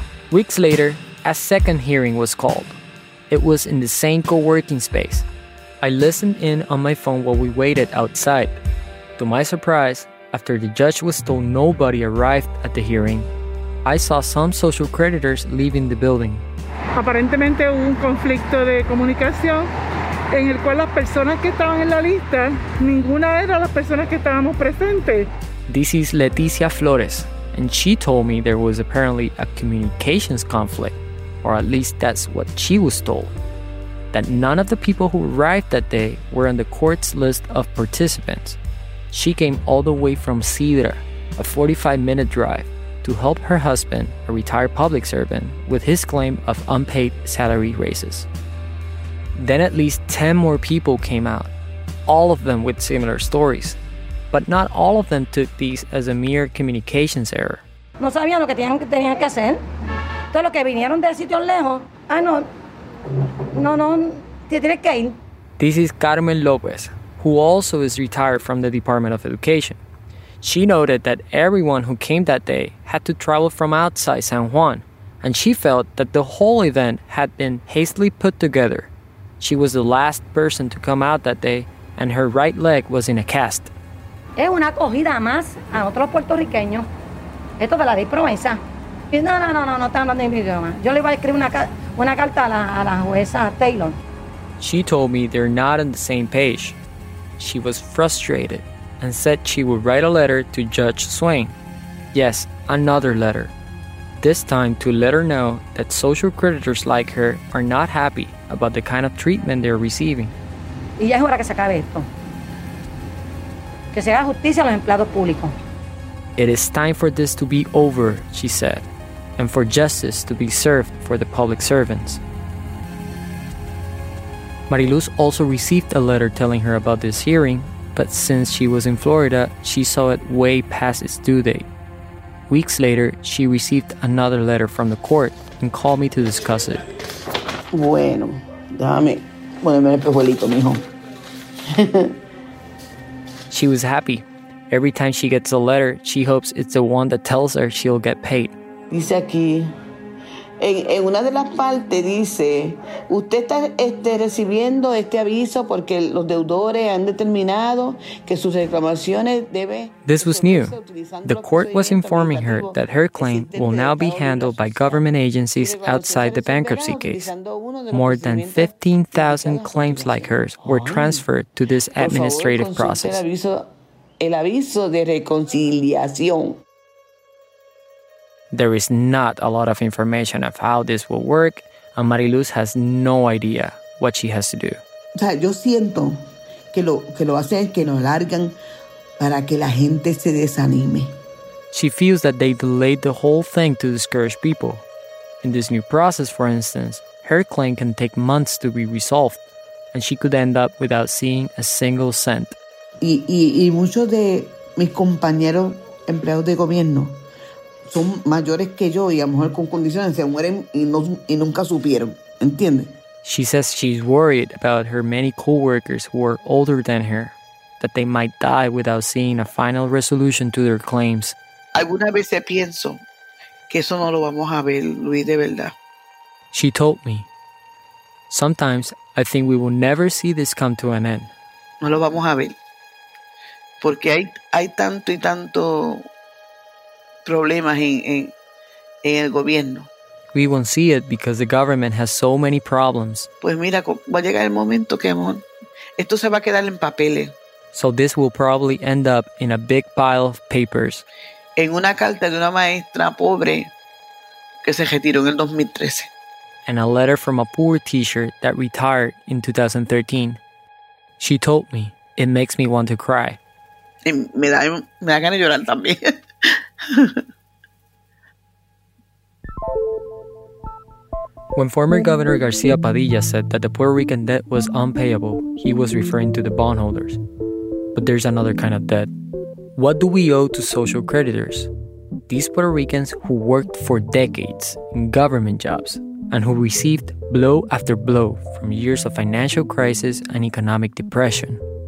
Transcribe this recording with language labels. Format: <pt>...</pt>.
<en>Weeks later, a second hearing was called. It was in the same co-working space. I listened in on my phone while we waited outside. To my surprise, after the judge was told nobody arrived at the hearing, I saw some social creditors leaving the building.</en> <es>Aparentemente hubo un conflicto de comunicación en el cual las personas que estaban en la lista, ninguna era las personas que estábamos presentes.</es> <en>This is Leticia Flores, and she told me there was apparently a communications conflict, or at least that's what she was told, that none of the people who arrived that day were on the court's list of participants. She came all the way from Cedar, a 45-minute drive, to help her husband, a retired public servant, with his claim of unpaid salary raises. Then at least 10 more people came out, all of them with similar stories. But not all of them took these as a mere communications error.</en> <es>No sabían lo que tenían que hacer. Entonces los que vinieron de sitios lejos, ah, no, te tienes que ir.</es> <en>This is Carmen López, who also is retired from the Department of Education. She noted that everyone who came that day had to travel from outside San Juan, and she felt that the whole event had been hastily put together. She was the last person to come out that day, and her right leg was in a cast.</en> <es>Es una acogida más a otros puertorriqueños. Esto de la ley promesa. No, está hablando en mi idioma. Yo le voy a escribir una carta a la jueza Taylor.</es> <en>She told me they're not on the same page. She was frustrated and said she would write a letter to Judge Swain, Yes, another letter. This time to let her know that social creditors like her are not happy about the kind of treatment they're receiving.</en> <es>Y ya es hora que se acabe esto. Que se haga justicia a los empleados públicos.</es> <en>It is time for this to be over, she said, and for justice to be served for the public servants. Mariluz also received a letter telling her about this hearing, but since she was in Florida, she saw it way past its due date. Weeks later, she received another letter from the court and called me to discuss it.</en> <es>Bueno, déjame ponerme el espejuelito, mijo.</es> <en>She was happy. Every time she gets a letter, she hopes it's the one that tells her she'll get paid.</en> <es>Dice aquí, en una de las partes dice, usted está recibiendo este aviso porque los deudores han determinado que sus reclamaciones deben...</es> <en>This was new. The court was informing her that her claim will now be handled by government agencies outside the bankruptcy case. More than 15,000 claims like hers were transferred to this administrative process.</en> <es>El aviso de reconciliación.</es> <en>There is not a lot of information of how this will work, and Mariluz has no idea what she has to do.</en> <es>O sea, yo siento que lo hacen que nos largan para que la gente se desanime.</es> <en>She feels that they delayed the whole thing to discourage people. In this new process, for instance, her claim can take months to be resolved, and she could end up without seeing a single cent.</en> <es>Y muchos de mis compañeros empleados de gobierno son mayores que yo y a lo mejor con condiciones se mueren y nunca supieron, ¿entiendes?</es> <en>She says she's worried about her many co-workers who are older than her, that they might die without seeing a final resolution to their claims.</en> <es>Algunas veces pienso que eso no lo vamos a ver, Luis, de verdad.</es> <en>She told me, sometimes I think we will never see this come to an end.</en> <es>No lo vamos a ver. Porque hay tanto y tanto problemas en el gobierno.</es> <en>We won't see it because the government has so many problems.</en> <es>Pues mira, va a llegar el momento que esto se va a quedar en papeles.</es> <en>So this will probably end up in a big pile of papers.</en> <es>En una carta de una maestra pobre que se retiró en el 2013.</es> <en>And a letter from a poor teacher that retired in 2013. She told me, it makes me want to cry.</en> <es>Y me da ganas de llorar también.</es> <en>When former Governor García Padilla said that the Puerto Rican debt was unpayable, he was referring to the bondholders. But there's another kind of debt. What do we owe to social creditors? These Puerto Ricans who worked for decades in government jobs and who received blow after blow from years of financial crisis and economic depression.</en>